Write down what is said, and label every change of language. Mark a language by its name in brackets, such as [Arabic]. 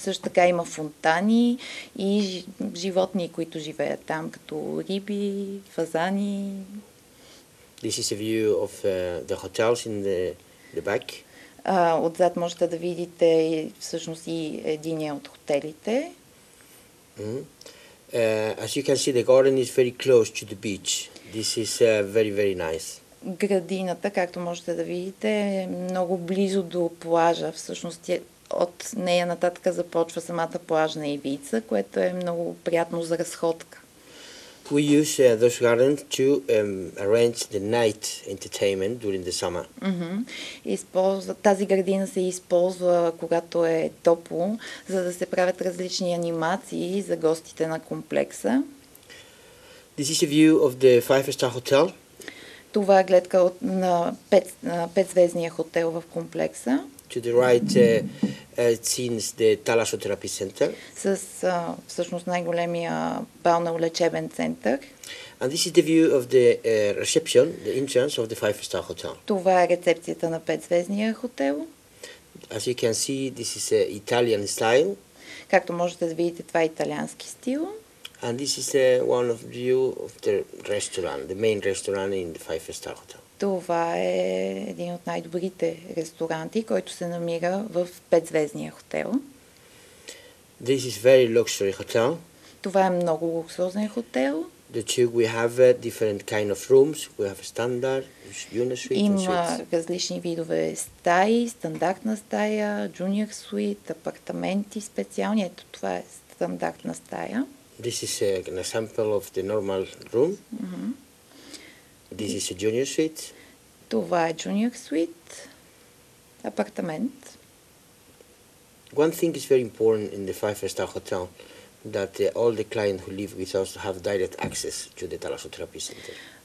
[Bulgarian] Също така има фонтани и животни, които живеят там, като риби, фазани. [English] This is a view of the hotels in the back. [Bulgarian] Отзад можете да видите всъщност и единия от хотелите. Mm-hmm. [English] As you can see, the garden is very close to the beach. This is very, very nice. [Bulgarian] Градината, както можете да видите, е много близо до плажа. Всъщност от нея нататък започва самата плажна ивица, което е много приятно за разходка. [English] We use those gardens to arrange the night entertainment during the summer. Mm-hmm. [Bulgarian] Тази градина се използва, когато е топло, за да се правят различни анимации за гостите на комплекса. [English] This is a view of the five-star hotel. [Bulgarian] Това е гледка от на петзвездния хотел в комплекса. [English] To the right, seems the Thalassotherapy Center. [Bulgarian] С всъщност най-големия балнеолечебен център. [English] And this is the view of the reception, the entrance of the five-star hotel. [Bulgarian] Това е рецепцията на петзвездния хотел. [English] As you can see, this is Italian style. [Bulgarian] Както можете да видите, това е италиански стил. [English] And this is one of view of the restaurant, the main restaurant in the five-star hotel. [Bulgarian] Това е един от най-добрите ресторанти, който се намира в петзвездния хотел. [English] This is very luxury hotel. [Bulgarian] Това е много луксозен хотел. [English] The two we have different kind of rooms. We have standard, junior suite. [Bulgarian] Има различни видове стаи, стандартна стая, junior suite, апартаменти специални. Ето това е стандартна стая. [English] This is an example of the normal room. Mm-hmm. This is a junior suite. [Bulgarian] Това е junior suite, апартамент. [English] One thing is very important in the five-star hotel, that all the clients who live with us have direct access to the Thalassotherapy Center.